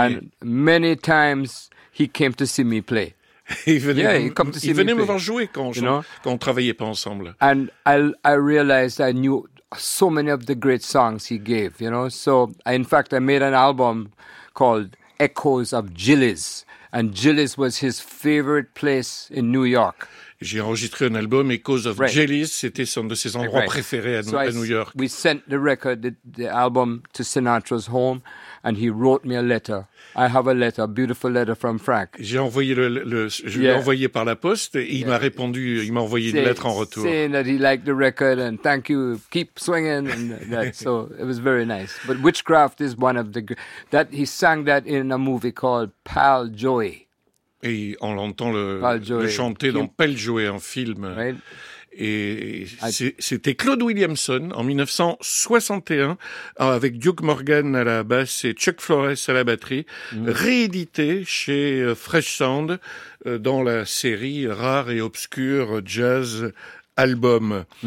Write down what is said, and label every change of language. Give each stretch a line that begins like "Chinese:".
English: And many times he came to see me play.
French: Il venait me voir jouer quand on travaillait pas ensemble.
English: And I realized I knew so many of the great songs he gave, you know. So in fact, I made an album called Echoes of Gillies, and Gillies was his favorite place in New York.
French: J'ai enregistré un album Echoes of Gillies. C'était un de ses endroits préférés à New York.
English: We sent the record, the album, to Sinatra's home, and he wrote me a letter. I have a letter, a beautiful letter from Frank.
French: Je l'ai envoyé par la poste et il m'a répondu, il m'a envoyé une lettre en retour.
English: Saying that he liked the record and thank you, keep swinging. And that. So it was very nice. But Witchcraft is one of the... That he sang that in a movie called Pal Joey.
French: Et on l'entend le chanter dans Pal Joey, un film.
English: Right?
French: C'était Claude Williamson en 1961 avec Duke Morgan à la basse et Chuck Flores à la batterie, réédité chez Fresh Sound dans la série Rare et Obscure Jazz Album.